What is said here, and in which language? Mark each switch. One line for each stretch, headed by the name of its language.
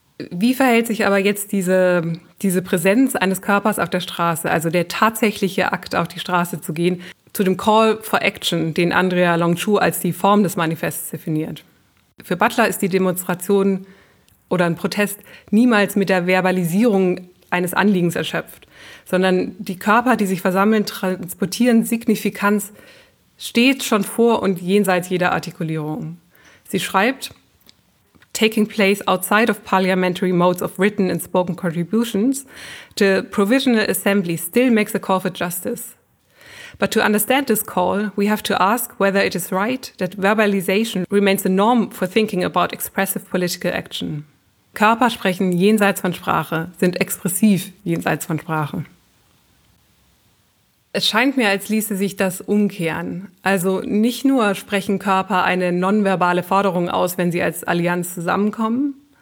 German: Wie verhält sich aber jetzt diese Präsenz eines Körpers auf der Straße, also der tatsächliche Akt, auf die Straße zu gehen, zu dem Call for Action, den Andrea Longchu als die Form des Manifests definiert? Für Butler ist die Demonstration oder ein Protest niemals mit der Verbalisierung eines Anliegens erschöpft, sondern die Körper, die sich versammeln, transportieren Signifikanz stets schon vor und jenseits jeder Artikulierung. Sie schreibt,
English: taking place outside of parliamentary modes of written and spoken contributions, the provisional assembly still makes a call for justice. But to understand this call, we have to ask whether it is right that verbalization remains the norm for thinking about expressive political action.
German: Körper sprechen jenseits von Sprache, sind expressiv jenseits von Sprache. Es scheint mir, als ließe sich das umkehren. Also nicht nur sprechen Körper eine nonverbale Forderung aus, wenn sie als Allianz zusammenkommen.